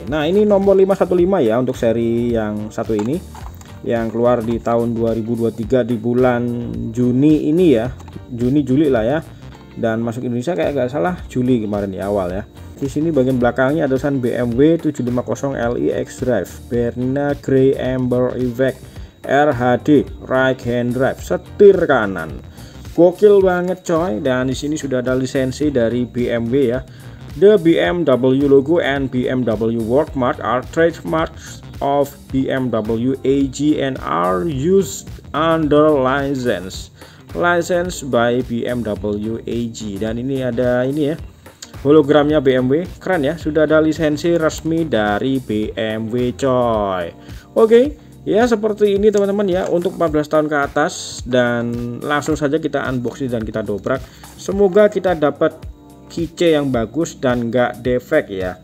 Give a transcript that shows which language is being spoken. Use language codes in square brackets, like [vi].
[id] Nah, ini nomor 515 ya untuk seri yang satu ini, yang keluar di tahun 2023 di bulan Juni ini ya, Juni Juli lah ya, dan masuk Indonesia kayak gak salah Juli kemarin di awal ya. Di sini bagian belakangnya ada tulisan BMW 750 Li xDrive, Bernina Grey Amber Effect, RHD, right hand drive, setir kanan. Gokil banget coy. Dan di sini sudah ada lisensi dari BMW ya. [en] The BMW logo and BMW watermark are trademarks of BMW AG and are used under license. License by BMW AG. [id] Dan ini ada ini ya, hologramnya BMW. Keren ya, sudah ada lisensi resmi dari BMW coy. Oke, ya seperti ini teman-teman ya, untuk 14 tahun ke atas. Dan langsung saja kita unboxing dan kita dobrak. Semoga kita dapat kece yang bagus dan enggak defek ya.